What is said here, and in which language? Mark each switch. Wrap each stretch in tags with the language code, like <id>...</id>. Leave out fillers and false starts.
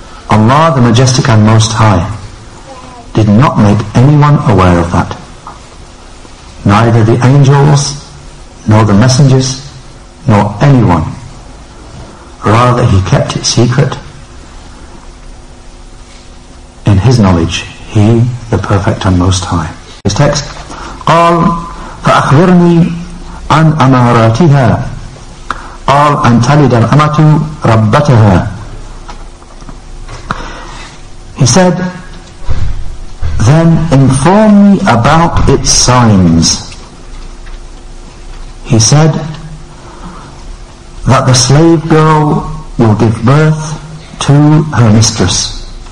<en>Allah the Majestic and Most High did not make anyone aware of that. Neither the angels, nor the messengers, nor anyone. Rather, he kept it secret in his knowledge, he, the Perfect and Most High. His text,</en> <ar>قال فأخبرني عن أماراتها قال أن تلد الأمة ربتها.</ar> <en>He said, then inform me about its signs. He said that the slave girl will give birth to her mistress.</en>